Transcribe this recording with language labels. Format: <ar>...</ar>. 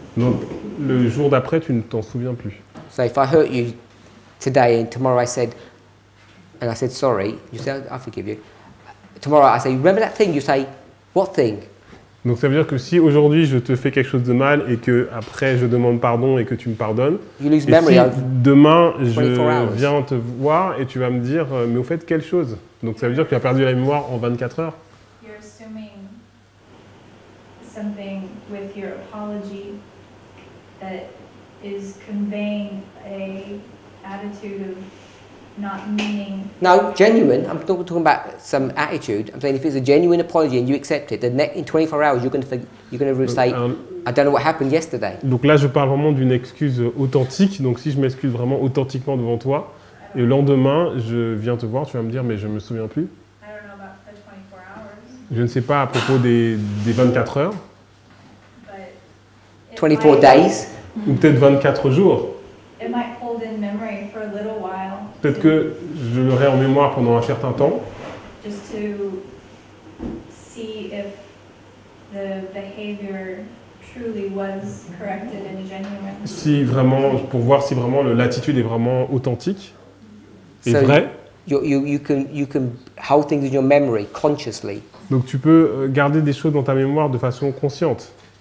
<fr>Donc le jour d'après tu ne t'en souviens plus.</fr> <en>So if I hurt you today and tomorrow I said sorry, you say I forgive you. Tomorrow I say remember that thing, you say what thing?</en> <fr>Donc ça veut dire que si aujourd'hui je te fais quelque chose de mal et que après je demande pardon et que tu me pardonnes,</fr> <en>you lose memory.</en> <fr>Si demain je viens te voir et tu vas me dire mais au fait quelle chose? Donc ça veut dire que tu as perdu la mémoire en 24 heures.</fr> <en>You're assuming something with your apology that is conveying a attitude of not meaning. No, genuine. I'm not talking about some attitude. I'm saying if it's a genuine apology and you accept it, then in 24 hours you're going to say, I don't know what happened yesterday.</en> <fr>Donc là, je parle vraiment d'une excuse authentique. Donc si je m'excuse vraiment authentiquement devant toi, et le lendemain, je viens te voir, tu vas me dire, mais je me souviens plus.</fr> <en>I don't know about the 24 hours.</en> <fr>Je ne sais pas à propos des 24 heures.</fr> <en>But 24 days.</en> <fr>Ou peut-être 24 jours.</fr> <en>It might hold in memory for a little while.</en> <fr>Peut-être que je l'aurai en mémoire pendant un certain temps.</fr> <en>Just to see if the behavior truly was corrected and genuine.</en> <fr>Si vraiment, pour voir si vraiment l'attitude est vraiment authentique et so vraie.</fr> <en>You can hold things in your memory consciously.</en> <fr>Donc tu peux garder des choses dans ta mémoire de façon consciente.</fr>